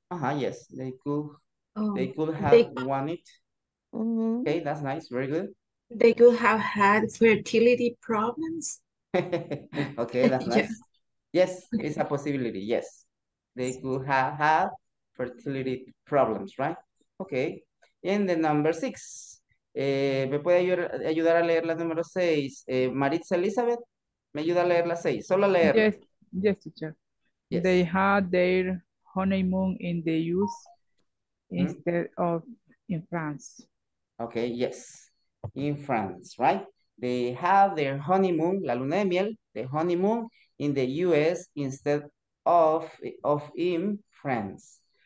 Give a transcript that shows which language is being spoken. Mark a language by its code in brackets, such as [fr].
[en] Yes. They could have wanted. Okay, that's nice. Very good. They could have had fertility problems. Okay, that's nice. Yes, it's a possibility. Yes, they could have had fertility problems, right? Okay. And the number six. [es] ¿Me puede ayudar a leer la número seis? Maritza Elizabeth, ¿me ayuda a leer la seis? Solo leer. [en] Yes, teacher. Yes. They had their honeymoon in the US instead of in France. Okay, yes. In France, right? They have their honeymoon, [es] la luna de miel, [en] the honeymoon in the US instead of in France.